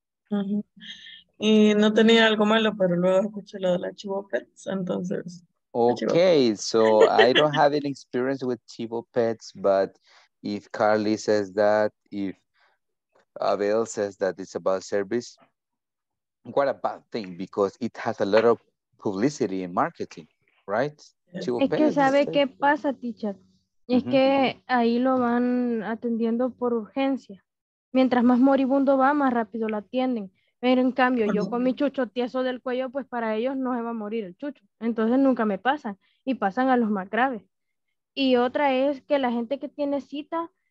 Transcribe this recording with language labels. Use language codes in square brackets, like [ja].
[es] Mm-hmm. Y no tenía algo malo, pero luego escuché lo de la chivopets, entonces. [en] Okay, so I don't have any experience with chivopets, but if Carly says that, if Abel says that it's about service, what a bad thing, because it has a lot of publicity and marketing, right? [es] Es que sabe qué pasa, teacher. Es uh-huh. que ahí lo van atendiendo por urgencia. Mientras más moribundo va, más rápido lo atienden. Pero en cambio, yo con mi chucho tieso del cuello, pues para ellos no se va a morir el chucho. Entonces nunca me pasa. Y pasan a los más graves. Y otra es que la gente que tiene cita,